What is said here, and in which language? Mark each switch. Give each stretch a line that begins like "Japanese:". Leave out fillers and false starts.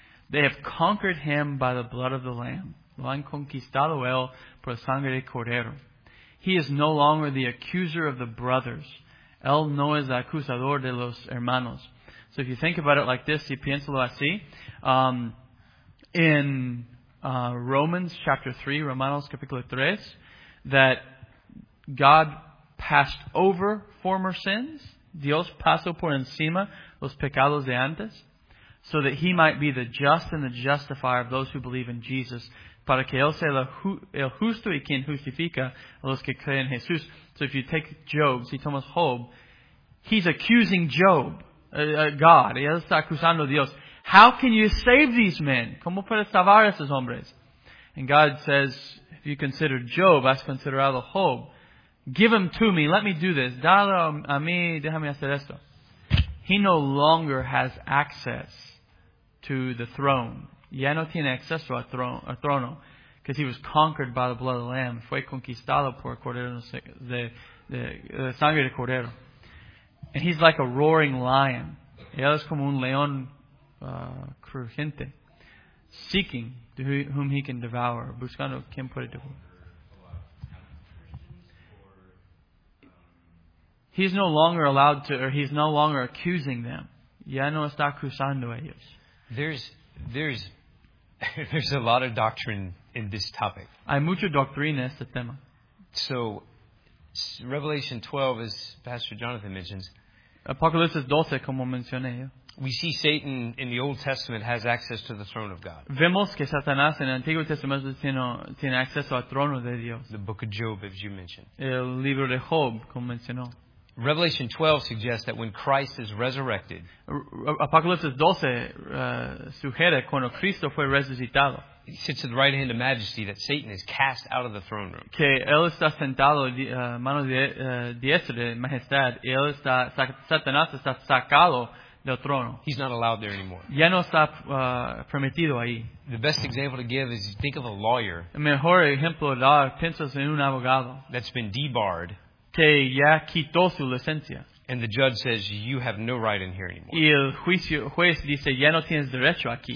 English: They have conquered him by the blood of the Lamb.
Spanish: Lo han conquistado él por sangre de cordero.
English: He is no longer the accuser of the brothers.
Spanish: Él no es acusador de los hermanos.
English: So if you think about it like this,
Spanish: si piénsalo así,
English: in Romans chapter 3,
Spanish: Romanos capítulo 3,
English: that God passed over former sins,
Spanish: Dios pasó por encima los pecados de antes,
English: so that he might be the just and the justifier of those who believe in Jesus,
Spanish: para que él sea el justo y quien justifica a los que creen en Jesús.
English: So if you take Job,
Spanish: si tomas Job,
English: he's accusing Job, God,
Spanish: y él está acusando a Dios. How can you save these men? ¿Cómo puedes salvar a esos hombres?
English: And God says, if you consider Job,
Spanish: has considerado Job.
English: Give him to me. Let me do this.
Spanish: Dale a mí. Déjame hacer esto.
English: He no longer has access to the throne.
Spanish: Ya no tiene acceso al trono.
English: Because he was conquered by the blood of the Lamb.
Spanish: Fue conquistado por el cordero de sangre de cordero.
English: And he's like a roaring lion.
Spanish: Él es como un león crujiente.
English: Seeking to whom he can devour.
Spanish: Buscando quien puede devorar.
English: He's no longer allowed to, or he's no longer accusing them.
Spanish: Ya no está acusando ellos.
English: There's a lot of doctrine in this topic.
Spanish: Hay mucha doctrina en este tema.
English: So, Revelation 12, as Pastor Jonathan mentions,
Spanish: Apocalipsis 12, como mencioné yo.
English: We see Satan in the Old Testament has access to the throne of God.
Spanish: Vemos que Satanás en el Antiguo Testamento tiene acceso al trono de Dios.
English: The book of Job, as you mentioned.
Spanish: El libro de Job, como mencionó.
English: Revelation 12 suggests that when Christ is resurrected,
Spanish: Apocalipsis 12 sugiere cuando Cristo fue resucitado,
English: he sits at the right hand of majesty, that Satan is cast out of the throne room.
Spanish: Que él está sentado mano diestra de majestad, y él está, Satanás está sacado del trono.
English: He's not allowed there anymore.
Spanish: Ya no está permitido ahí.
English: The best example to give is think of a lawyer.
Spanish: El mejor ejemplo de dar, piensas en un abogado
English: that's been debarred.
Spanish: Que ya quitó su licencia.
English: And the judge says, you have no right in here anymore.
Spanish: Y el juez dice, ya no tienes derecho aquí.